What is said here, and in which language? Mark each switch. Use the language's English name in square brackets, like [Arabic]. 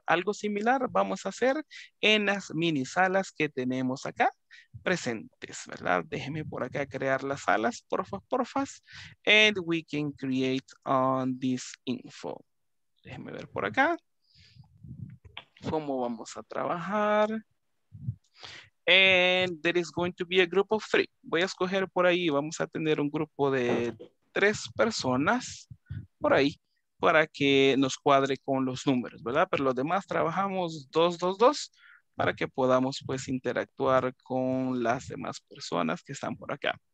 [Spanish] Algo similar vamos a hacer en las mini salas que tenemos acá presentes, ¿verdad? Déjeme por acá crear las salas, porfa, porfa. [English] And we can create on this info. [Spanish] Déjeme ver por acá cómo vamos a trabajar. [English] And there is going to be a group of three. [Spanish] Voy a escoger por ahí. Vamos a tener un grupo de tres personas por ahí para que nos cuadre con los números, ¿verdad? Pero los demás trabajamos dos, dos, dos para que podamos pues interactuar con las demás personas que están por acá.